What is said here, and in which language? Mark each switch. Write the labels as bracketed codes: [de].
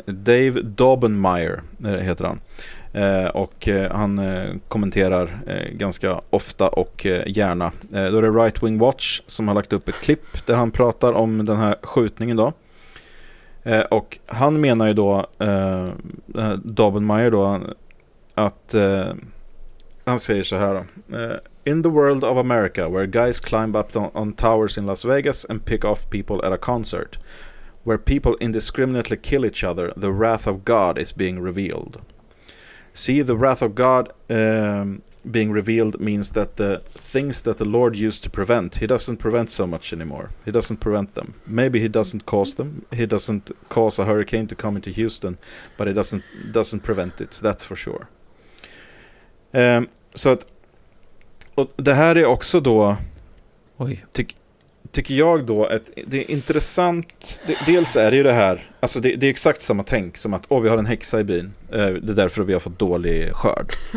[sv] Dave Dobenmeyer heter han. Och han kommenterar ganska ofta och gärna. Då är det Right Wing Watch som har lagt upp ett klipp där han pratar om den här skjutningen då. Och han menar ju då Dobenmeyer då att han säger så här då. [en] In the world of America where guys climb up on towers in Las Vegas and pick off people at a concert where people indiscriminately kill each other, the wrath of God is being revealed. See, the wrath of God being revealed means that the things that the Lord used to prevent, he doesn't prevent so much anymore. He doesn't prevent them. Maybe he doesn't cause them. He doesn't cause a hurricane to come into Houston, but he doesn't prevent it. That's for sure. [sv] Så att, och det här är också då tycker jag då att det är intressant. Dels är det ju det här, alltså det är exakt samma tänk som att vi har en häxa i byn, det är därför vi har fått dålig skörd.